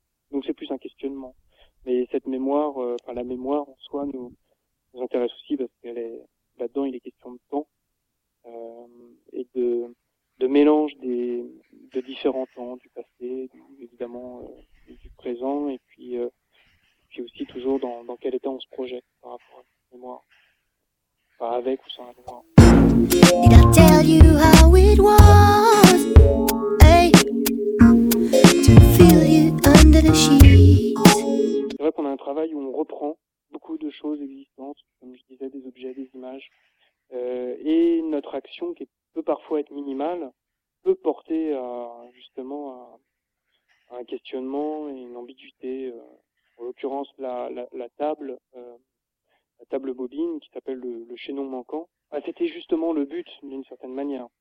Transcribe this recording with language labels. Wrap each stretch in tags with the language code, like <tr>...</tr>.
<fr>Donc c'est plus un questionnement. Mais cette mémoire, enfin la mémoire en soi nous intéresse aussi parce que là-dedans il est question de temps et de mélange de différents temps, du passé, du présent, et puis aussi toujours dans quel état on se projette par rapport à la mémoire, enfin avec ou sans la mémoire.</fr> <en>Did I tell you how it was, hey, to feel you under the sheets.</en> <fr>C'est vrai qu'on a un travail où on reprend beaucoup de choses existantes, comme je disais, des objets, des images, et notre action qui peut parfois être minimale, peut porter justement à un questionnement et une ambiguïté. En l'occurrence, la table bobine qui s'appelle le chaînon manquant, bah, c'était justement le but d'une certaine manière.</fr>